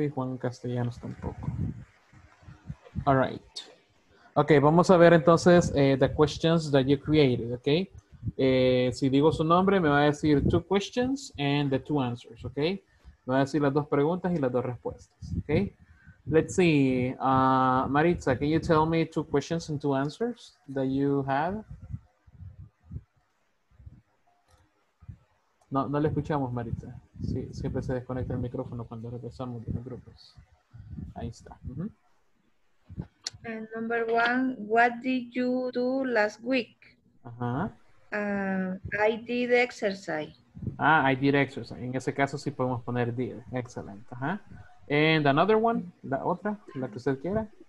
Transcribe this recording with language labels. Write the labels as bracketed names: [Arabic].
[Spanish] Y Juan Castellanos tampoco. [English] All right. Okay, [Spanish] vamos a ver entonces [English] the questions that you created, okay? [Spanish] Si digo su nombre, me va a decir [English] two questions and the two answers, [Spanish] okay? Me va a decir las dos preguntas y las dos respuestas, okay? [English] Let's see, Maritza, can you tell me two questions and two answers that you have? [Spanish] No, no le escuchamos, Maritza. Sí, siempre se desconecta el micrófono cuando regresamos de los grupos. Ahí está. Uh-huh. [English] And number one, what did you do last week? I did exercise. [Spanish] Ah, [English] I did exercise. [Spanish] En ese caso sí podemos poner did. [English] Excellent. [Spanish] Ajá. [English] And another one, [Spanish] la otra, la que usted quiera.